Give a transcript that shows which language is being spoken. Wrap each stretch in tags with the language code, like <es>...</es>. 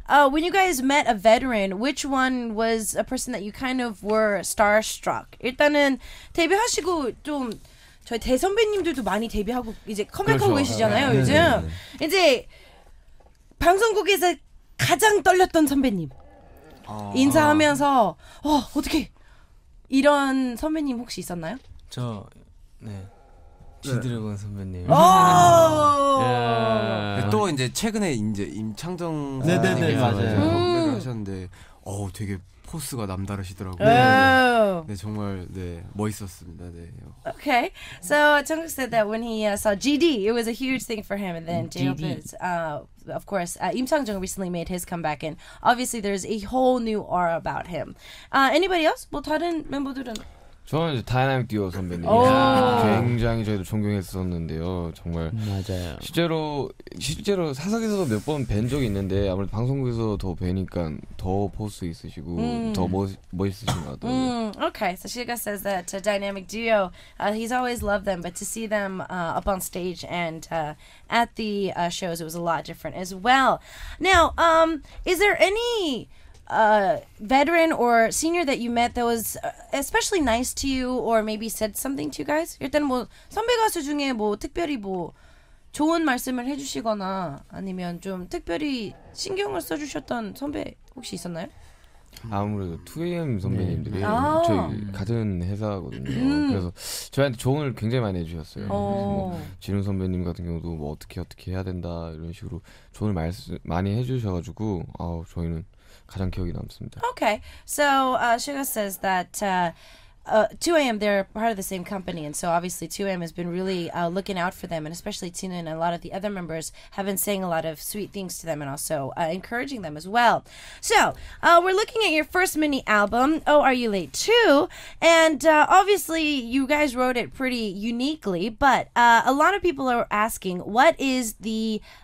<en>When you guys met a veteran, which one was a person that you kind of were starstruck?</en> <ko>일단은 데뷔하시고 좀... 저희 대선배님들도 많이 데뷔하고 이제 컴백하고 그렇죠. 계시잖아요 네. 요즘 네. 이제 방송국에서 가장 떨렸던 선배님 인사하면서 어떻게 이런 선배님 혹시 있었나요? 저 네 지드래곤 네. 선배님 네. 또 이제 최근에 이제 임창정 선생님 네네네 맞아요 하셨는데 어우 되게 포스가 남다르시더라고요. Oh. 네, 정말 네 멋있었습니다. 네.</ko> <en>Okay, so Jungkook said that when he saw GD, it was a huge thing for him. And then J-Hope's, of course, Im Sang-jung recently made his comeback, and obviously there's a whole new aura about him. Anybody else?</en> <ko>뭐 다른 멤버들은? 저는 이제 다이나믹 듀오 선배님 oh. 굉장히 저희도 존경했었는데요. 정말 맞아요. 실제로 사석에서도 몇 번 뵌 적이 있는데 아무래도 방송국에서 더 뵈니까 더 포스 있으시고 더 멋있으신 것 같아요.</ko> <en>Okay, so Shiga says that a dynamic duo, he's always loved them, but to see them up on stage and at the shows, it was a lot different as well. Now, is there any veteran or senior that you met that was especially nice to you or maybe said something to you guys?</en> <ko>일단 뭐 선배 가수 중에 뭐 특별히 뭐 좋은 말씀을 해주시거나 아니면 좀 특별히 신경을 써주셨던 선배 혹시 있었나요? 아무래도 2AM 선배님들이 네. 저희 같은 회사거든요. 그래서 저희한테 조언을 굉장히 많이 해주셨어요. 뭐 진우 선배님 같은 경우도 뭐 어떻게 해야 된다 이런 식으로 조언을 많이 해주셔가지고 아우 저희는 가장 기억이 남습니다.</ko> <en>Okay, so Shiga says that 2AM, they're part of the same company, and so obviously 2AM has been really looking out for them, and especially Tina and a lot of the other members have been saying a lot of sweet things to them and also encouraging them as well. So we're looking at your first mini album, Oh Are You Late 2, and obviously you guys wrote it pretty uniquely, but a lot of people are asking, what is the...</en>